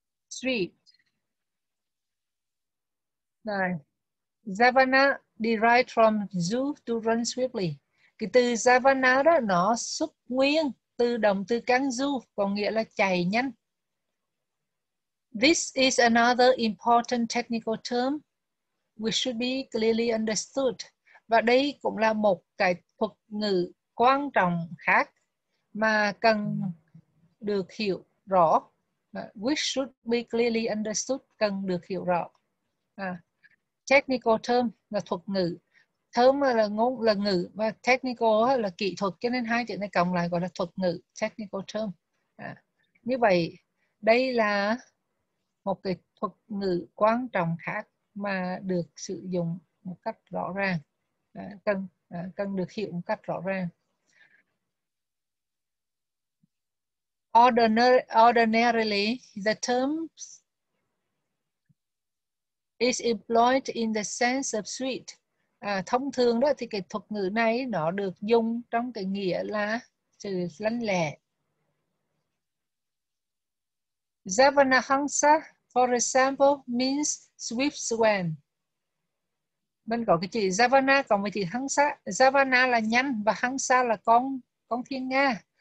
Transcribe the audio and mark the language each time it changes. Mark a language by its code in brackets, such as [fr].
[en] Sweet. Rồi. Javana derived from zoo to run swiftly. [vi] Cái từ Javana đó nó xuất nguyên từ động từ căn du có nghĩa là chạy nhanh. [en] This is another important technical term which should be clearly understood. [vi] Và đây cũng là một cái thuật ngữ quan trọng khác mà cần được hiểu rõ. [en] Which should be clearly understood, [vi] cần được hiểu rõ. À, technical term là thuật ngữ. Term là ngôn là ngữ và technical là kỹ thuật, cho nên hai chữ này cộng lại gọi là thuật ngữ, technical term. À, như vậy đây là một cái thuật ngữ quan trọng khác mà được sử dụng một cách rõ ràng, cần được hiểu một cách rõ ràng. [en] Ordinarily, the term is employed in the sense of sweet. [vi] À, thông thường đó thì cái thuật ngữ này nó được dùng trong cái nghĩa là sự lanh lẹ. [en] Javana Hansa, for example, means swift swan. [vi] Mình có cái chữ Javana cộng với chữ Hansa. Javana là nhanh và Hansa là con thiên nga.